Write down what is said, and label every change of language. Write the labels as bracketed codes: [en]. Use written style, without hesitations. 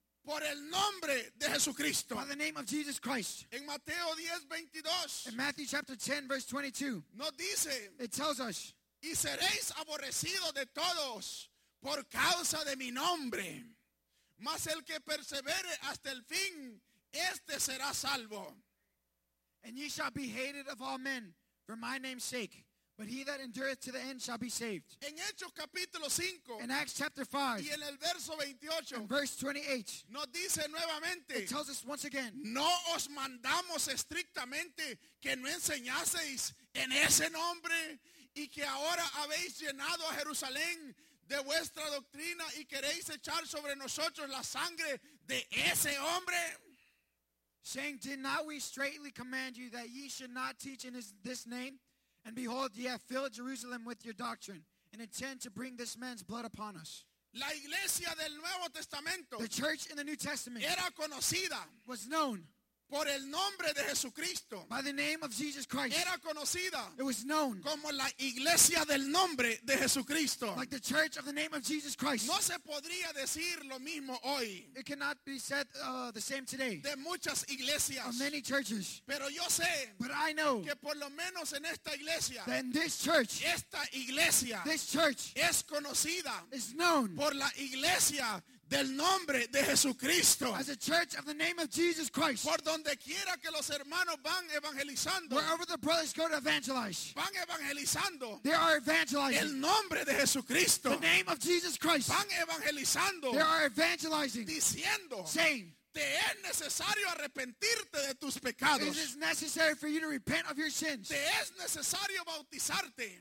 [es] por el nombre de Jesucristo, [en] by the name of Jesus Christ. [es] En Mateo 10:22, [en] in Matthew chapter 10 verse 22, [es] nos dice, [en] it tells us, [es] y seréis aborrecidos de todos por causa de mi nombre, mas el que persevere hasta el fin, este será salvo. [en] And ye shall be hated of all men for my name's sake. But he that endureth to the end shall be saved. [es] En Hechos capítulo 5. [en] In Acts chapter 5. [es] Y en el verso 28. [en] In verse 28. [es] Nos dice nuevamente. [en] It tells us once again. [es] No os mandamos estrictamente que no enseñaseis en ese nombre. Y que ahora habéis llenado a Jerusalén de vuestra doctrina. Y queréis echar sobre nosotros la sangre de ese hombre. [en] Saying, did not we straightly command you that ye should not teach in this name? And behold, ye have filled Jerusalem with your doctrine, and intend to bring this man's blood upon us. [es] La iglesia del Nuevo Testamento, [en] the church in the New Testament, [es] era conocida, [en] was known [es] por el nombre de Jesucristo. [en] By the name of Jesus Christ. [es] Era conocida. [en] It was known. [es] Como la iglesia del nombre de Jesucristo. [en] Like the church of the name of Jesus Christ. [es] No se podría decir lo mismo hoy. [en] It cannot be said the same today. [es] De muchas iglesias. [en] Of many churches. [es] Pero yo sé. [en] But I know. [es] Que por lo menos en esta iglesia. [en] That in this church. [es] Esta iglesia. [en] This church. [es] Es conocida. [en] Is known. [es] Por la iglesia del nombre de Jesucristo. [en] As a church of the name of Jesus Christ. [es] Por donde quiera que los hermanos van evangelizando. [en] Wherever the brothers go to evangelize. [es] Van evangelizando. [en] They are evangelizing. [es] El nombre de Jesucristo. [en] The name of Jesus Christ. [es] Van evangelizando. [en] They are evangelizing. [es] Diciendo. [en] Saying. [es] Te es necesario arrepentirte de tus pecados. [en] It is necessary for you to repent of your sins. [es] Te es necesario bautizarte.